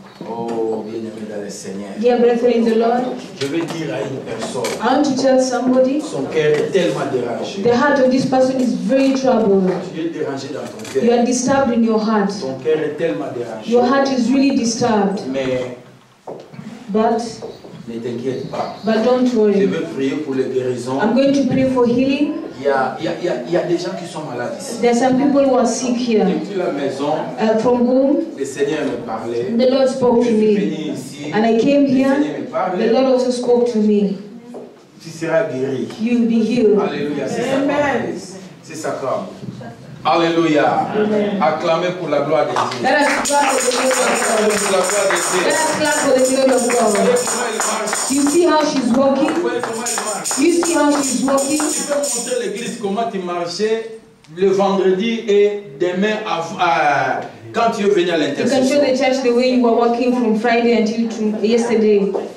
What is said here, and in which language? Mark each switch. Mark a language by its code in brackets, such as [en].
[fr] Oh, bien-aimé dans le Seigneur. [en] Dear brethren in the Lord. [fr] Je vais dire à une personne. [en] I want to tell somebody. [fr] Son cœur est tellement dérangé. [en] The heart of this person is very troubled. [fr] Tu es dérangé dans ton cœur. [en] You are disturbed in your heart. [fr] Ton cœur est tellement dérangé. [en] Your heart is really disturbed. [fr] Mais. [en] But. [fr] Ne t'inquiète pas. [en] But don't worry. [fr] Je vais prier pour les guérisons. [en] I'm going to pray for healing. [fr] Il y a des gens qui sont malades ici. [en] There are some people who are sick here. [fr] Depuis la maison, [en] from whom? [fr] Le Seigneur me parlait. [en] The Lord spoke to me. [fr] Je suis venu ici. [en] And I came here. [fr] Le Seigneur me parlait. [en] The Lord also spoke to me. [fr] Tu seras guéri. [en] You'll be healed. Alléluia. Amen. [fr] C'est sa parole. Alléluia. Amen. Acclamez pour la gloire de Dieu. [en] Let us clap for the glory of God. [fr] Acclamez pour la gloire de Dieu. [en] Let us clap for the glory of God. You see how she's walking? You see how she's walking? [fr] Tu peux montrer l'église comment tu marchais le vendredi et demain quand tu es venu à l'intercession. [en] You can show the church the way you were walking from Friday until yesterday.